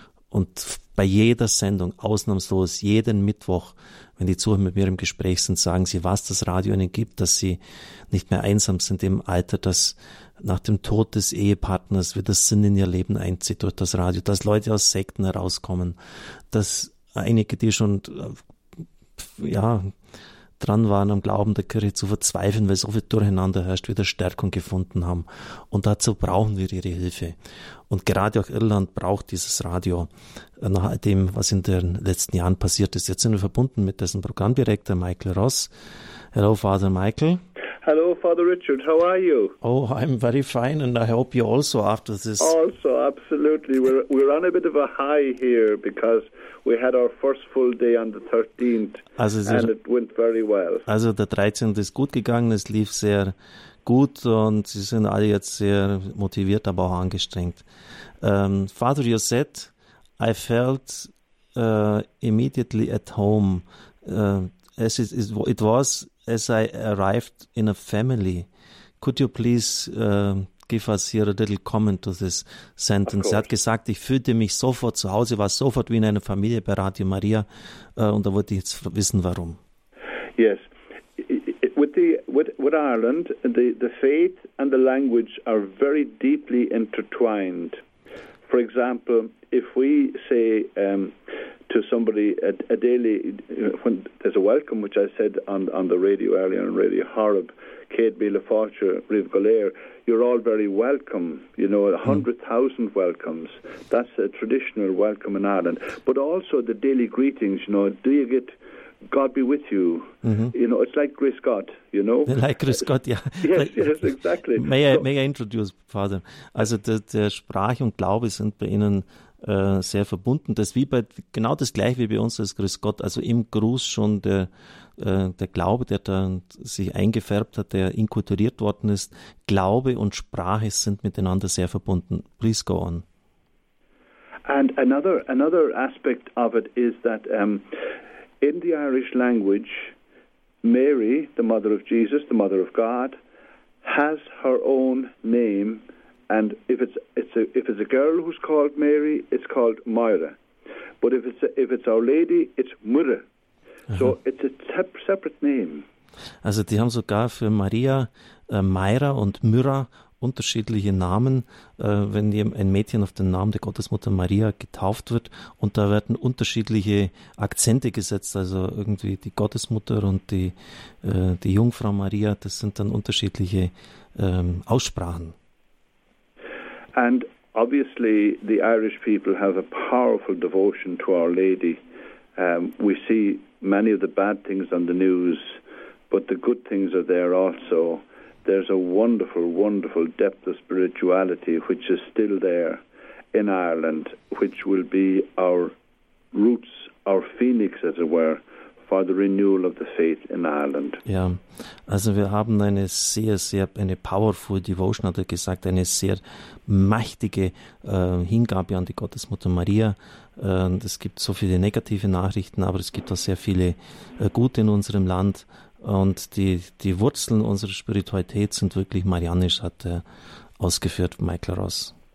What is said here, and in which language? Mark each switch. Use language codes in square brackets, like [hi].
[de] Und bei jeder Sendung, ausnahmslos, jeden Mittwoch, wenn die Zuhörer mit mir im Gespräch sind, sagen sie, was das Radio ihnen gibt, dass sie nicht mehr einsam sind im Alter, dass nach dem Tod des Ehepartners wieder Sinn in ihr Leben einzieht durch das Radio, dass Leute aus Sekten herauskommen, dass einige, die schon ja dran waren, am Glauben der Kirche zu verzweifeln, weil so viel Durcheinander herrscht, wieder Stärkung gefunden haben. Und dazu brauchen wir ihre Hilfe. Und gerade auch Irland braucht dieses Radio. Nach dem, was in den letzten Jahren passiert ist. Jetzt sind wir verbunden mit dessen Programmdirektor Michael Ross. [en] Hello, Father Michael. Hello, Father Richard. How are you? Oh, I'm very fine, and I hope you also after this. Also, absolutely. We're on a bit of a high here because we had our first full day on the 13th, also, and it went very well. [de] Also, der 13. ist gut gegangen. Es lief sehr gut, und Sie sind alle jetzt sehr motiviert, aber auch angestrengt. [en] Father, you said, I felt immediately at home. It was as I arrived in a family. Could you please give us here a little comment to this sentence? [de] Er hat gesagt, ich fühlte mich sofort zu Hause, war sofort wie in einer Familie bei Radio Maria, und da wollte ich jetzt wissen, warum. [en] Yes. With Ireland, the faith and the language are very deeply intertwined. For example, if we say to somebody a daily, when there's a welcome, which I said on the radio earlier on Radio Horeb, Cade Mila Fortier, Reeve Golair, you're all very welcome. You know, 100,000 welcomes. That's a traditional welcome in Ireland. But also the daily greetings, you know, do you get God be with you. Mm-hmm. You know, it's like grace God, you know? Like grace God, yeah. Yes, exactly. May I introduce, Father? [de] Also, der Sprache und Glaube sind bei Ihnen sehr verbunden. Das ist wie bei, genau das gleiche wie bei uns als grace God. Also im Gruß schon der Glaube, der da sich eingefärbt hat, der inkulturiert worden ist. Glaube und Sprache sind miteinander sehr verbunden. [en] Please go on. And another aspect of it is that in the Irish language, Mary, the mother of Jesus, the mother of God, has her own name. And if it's a girl who's called Mary, it's called Moira. But if it's Our Lady, it's Mura. So it's a separate name. [de] Also die haben sogar für Maria, Moira und Myra unterschiedliche Namen, wenn ein Mädchen auf den Namen der Gottesmutter Maria getauft wird, und da werden unterschiedliche Akzente gesetzt, also irgendwie die Gottesmutter und die Jungfrau Maria, das sind dann unterschiedliche Aussprachen. [en] And obviously the Irish people have a powerful devotion to Our Lady. We see many of the bad things on the news, but the good things are there also. There's a wonderful, wonderful depth of spirituality which is still there in Ireland, which will be our roots, our phoenix, as it were, for the renewal of the faith in Ireland. [de] Ja, also wir haben eine sehr, sehr, eine [en] powerful devotion, [de] hat er gesagt, eine sehr mächtige Hingabe an die Gottesmutter Maria. Es gibt so viele negative Nachrichten, aber es gibt auch sehr viele Gute in unserem Land. Und die Wurzeln unserer Spiritualität sind wirklich marianisch, hat er ausgeführt, Michael Ross.